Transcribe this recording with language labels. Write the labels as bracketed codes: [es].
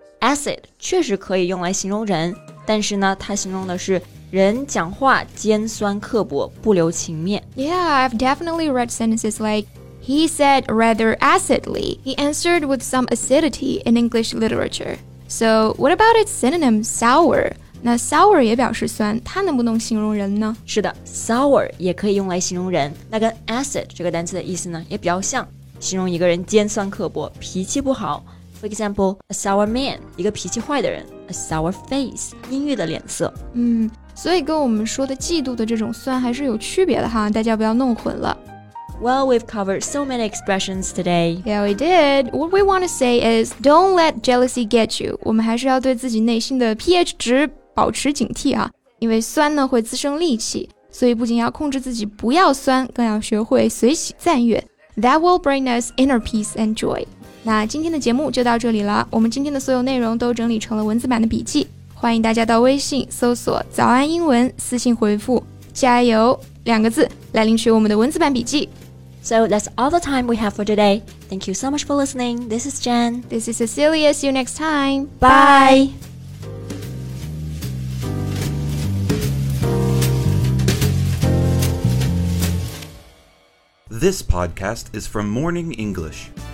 [zh] Acid 确实可以用来形容人。但是呢，它形容的是人讲话尖酸刻薄，不留情面。 [en] Yeah, I've definitely read sentences like, he said rather acidly, he answered with some acidity in English literature. So, what about its synonym sour? [zh] 那 sour 也表示酸，它能不能形容人呢？是的 ,sour 也可以用来形容人。那跟 acid 这个单词的意思呢，也比较像，形容一个人尖酸刻薄，脾气不好。 [en] For example, a sour man, [zh] 一个脾气坏的人 [en] a sour face, [zh] 阴郁的脸色。所以跟我们说的嫉妒的这种酸还是有区别的哈，大家不要弄混了。 [en] Well, we've covered so many expressions today. Yeah, we did. What we want to say is, don't let jealousy get you. [zh] 我们还是要对自己内心的 pH 值保持警惕啊，因为酸呢会滋生戾气，所以不仅要控制自己不要酸，更要学会随喜赞悦。 [en] That will bring us inner peace and joy. [zh] 那今天的节目就到这里了，我们今天的所有内容都整理成了文字版的笔记，欢迎大家到微信搜索早安英文，私信回复加油两个字来领取我们的文字版笔记。 [en] So that's all the time we have for today. Thank you so much for listening. This is Jen. This is Cecilia. See you next time. Bye. This podcast is from Morning English.